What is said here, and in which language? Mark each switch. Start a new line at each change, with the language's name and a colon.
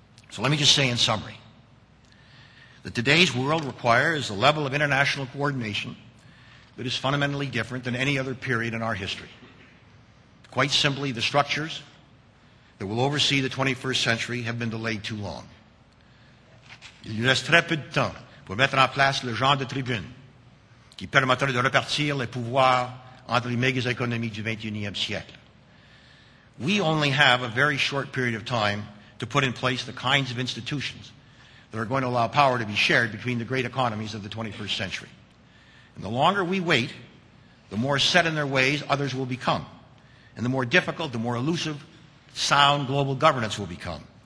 English: So let me just say in summary that today's world requires a level of international coordination that is fundamentally different than any other period in our history. Quite simply, the structures that will oversee the 21st century have been delayed too long.
French: Il nous reste très peu de temps pour mettre en place le genre de tribune qui permettrait de repartir les pouvoirs entre les méga économies du 21e siècle.
English: We only have a very short period of time to put in place the kinds of institutions that are going to allow power to be shared between the great economies of the 21st century. And the longer we wait, the more set in their ways others will become. And the more difficult, the more elusive, sound global governance will become.